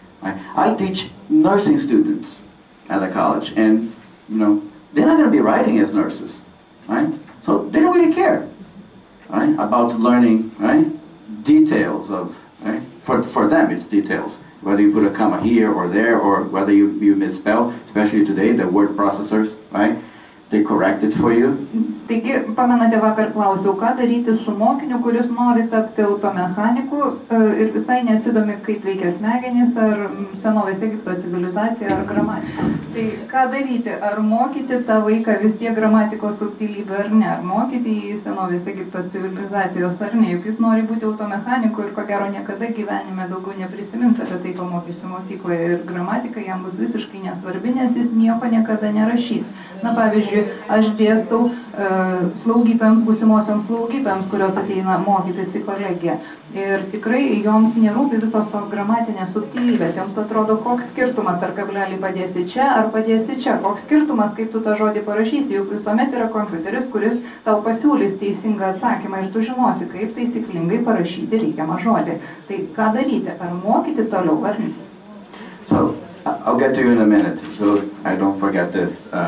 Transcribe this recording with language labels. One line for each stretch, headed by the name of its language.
English: I teach nursing students at the college, and they're not going to be writing as nurses, So they don't really care, about learning, details of, for them it's details, whether you put a comma here or there, or whether you misspell, especially today, the word processors, They correct it for you.
Lithuanian: Taigi, pamenate, vakar klausiau, ką daryti su mokiniu, kuris nori tapti automechaniku ir visai nesidomi, kaip veikia smegenys ar senovės Egipto civilizacija ar gramatika. Tai ką daryti? Ar mokyti tą vaiką vis tiek gramatikos subtilybę ar ne? Ar mokyti į senovės Egipto civilizacijos ar ne? Juk jis nori būti automechaniku ir ko gero niekada gyvenime daugiau neprisimins apie tai, ko mokysi mokykloje. Ir gramatika jam bus visiškai nesvarbi, nes jis nieko niekada nerašys. Na, pavyzdžiui, aš dėstau slaugytojams, būsimosioms slaugytojams, kurios ateina mokytis į kolegiją. Ir tikrai joms nerūpi visos to gramatinės subtilybės. Joms atrodo, koks skirtumas, ar kablelį padėsi čia, ar padėsi čia. Koks skirtumas, kaip tu tą žodį parašysi. Juk visuomet yra kompiuteris, kuris tau pasiūlys teisingą atsakymą ir tu žinosi, kaip taisyklingai parašyti reikiamą žodį. Tai ką daryti? Ar mokyti toliau, ar ne?
English: So, I'll get to you in a minute, so I don't forget this.